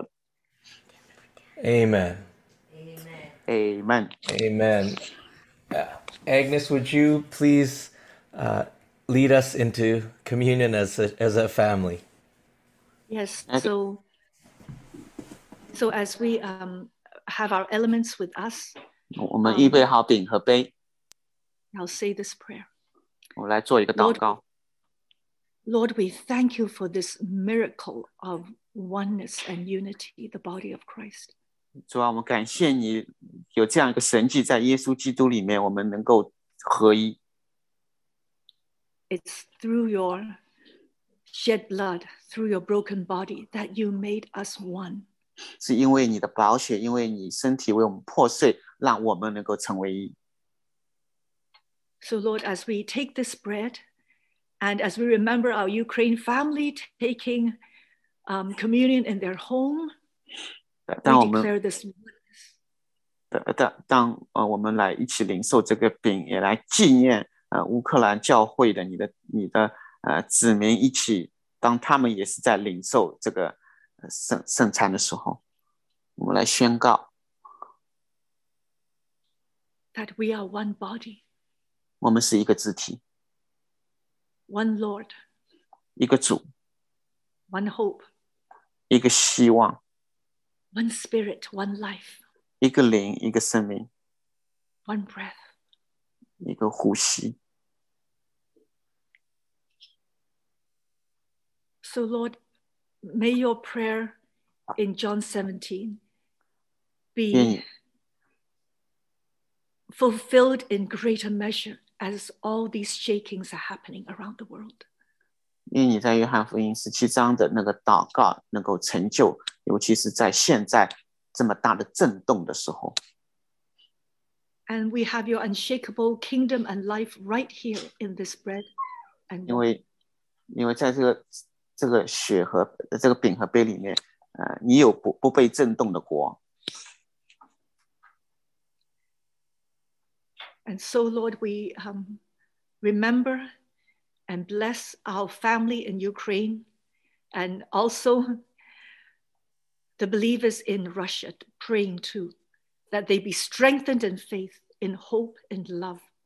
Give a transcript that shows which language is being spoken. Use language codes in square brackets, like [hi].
[zh] 愿你的灵来浇灌整个欧洲，浇灌世界的每一个地方，像我们以前从来没有看到过的。 [en] Amen. Amen. Amen. Amen. Agnes, would you please lead us into communion as a family? Yes. So as we have our elements with us, [zh] 我们预备好饼和杯, [en] I'll say this prayer. Lord, we thank you for this miracle of oneness and unity, the body of Christ. [zh] 主啊，我们感谢你有这样一个神迹，在耶稣基督里面，我们能够合一。 [en] It's through your shed blood, through your broken body, that you made us one. [zh] 是因为你的宝血，因为你身体为我们破碎，让我们能够成为一。 [en] So Lord, as we take this bread And as we remember our Ukraine family taking communion in their home, we declare this. [zh] 当我们来一起领受这个饼，也来纪念乌克兰教会的你的子民一起，当他们也是在领受这个圣餐的时候，我们来宣告。 [en] That we are one body. [zh] 我们是一个肢体。 [en] One Lord. [zh] 一个主。 [en] One hope. [zh] 一个希望。 [en] One spirit, one life. [zh] 一个灵，一个生命。 [en] One breath. [zh] 一个呼吸。 [en] So Lord, may your prayer in John 17 be fulfilled in greater measure as all these shakings are happening around the world. [zh] 愿你在约翰福音17章的那个祷告能够成就，尤其是在现在。 [en] And we have your unshakable kingdom and life right here in this bread. And [zh] 因为在这个血和这个饼和杯里面，你有不被震动的国。 [en] And so, Lord, we remember and bless our family in Ukraine, and also the believers in Russia, praying too, that they be strengthened in faith, in hope, and love.